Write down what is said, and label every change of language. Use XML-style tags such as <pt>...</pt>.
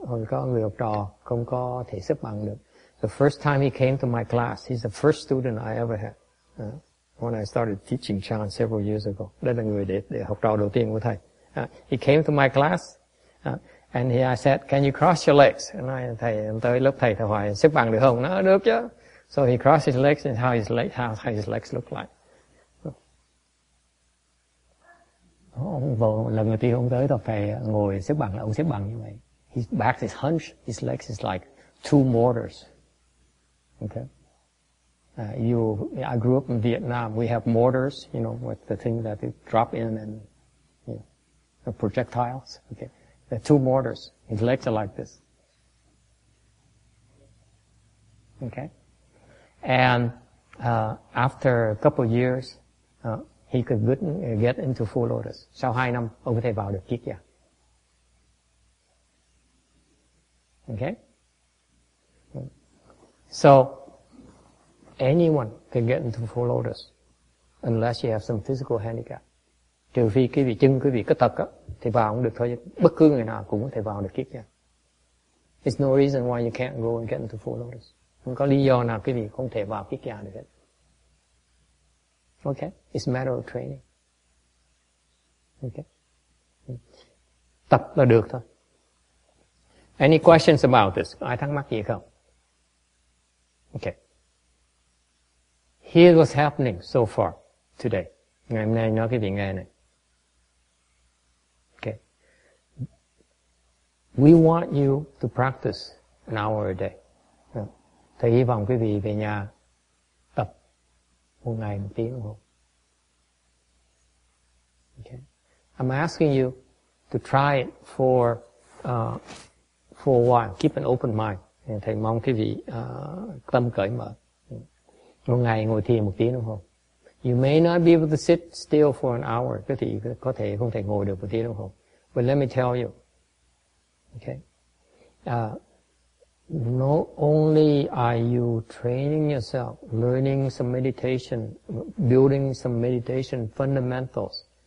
<en>The first time he came to my class, he's the first student I ever had. When I started teaching Chan several years ago,</en> <vi>đây là người để học trò đầu tiên của thầy.</vi> <en>He came to my class, and he I said, "Can you cross your legs?" And I</en> <vi>thầy tới lớp thầy hỏi xếp bằng được không? Nó được chứ.</vi> <en>So he crossed his legs, and how his legs look like?</en> <vi>ông vô lần đầu tiên ông tới tôi phải ngồi xếp bằng, là ông xếp bằng như vậy.</vi> <en>His back is hunched, his legs is like two mortars. Okay. I grew up in Vietnam. We have mortars, you know, with the thing that they drop in and, you know, the projectiles. Okay. The two mortars. His legs are like this. Okay. And, after a couple of years, he could get into Full Lotus.</en> <vi>Sau 2 năm, ông có thể vào được Kiết Già.</vi> <en>Okay. So, anyone can get into Full Lotus unless you have some physical handicap.</en> <vi>Trừ phi cái vị chân quý vị có tật á, thì vào cũng được thôi. Bất cứ người nào cũng có thể vào được Kiết Già.</vi> <en>There's no reason why you can't go and get into Full Lotus.</en> <vi>Không có lý do nào quý vị không thể vào Kiết Già được hết.</vi> <en>Okay, it's a matter of training. Okay.</en> <vi>Tập là được thôi.</vi> <en>Any questions about this?</en> <vi>Ai thắc mắc gì không? Okay.</vi> <en>Here's what's happening so far today.</en> <vi>Ngày hôm nay nói cái vị nghe này.</vi> <en>Okay. We want you to practice an hour a day.</en> <vi>Thầy hy vọng quý vị về nhà tập một ngày một tiếng đồng hồ.</vi> <en>Okay. I'm asking you to try it for a while. Keep an open mind.</en> <vi>Thầy mong quý vị tâm cởi mở. Một ngày ngồi thiền một tiếng đồng hồ.</vi> <en>You may not be able to sit still for an hour.</en> <vi>Quý vị có thể không thể ngồi được một tiếng đồng hồ.</vi> <en>But let me tell you. Okay. Not only are you training yourself, learning some meditation, building some meditation fundamentals.</en>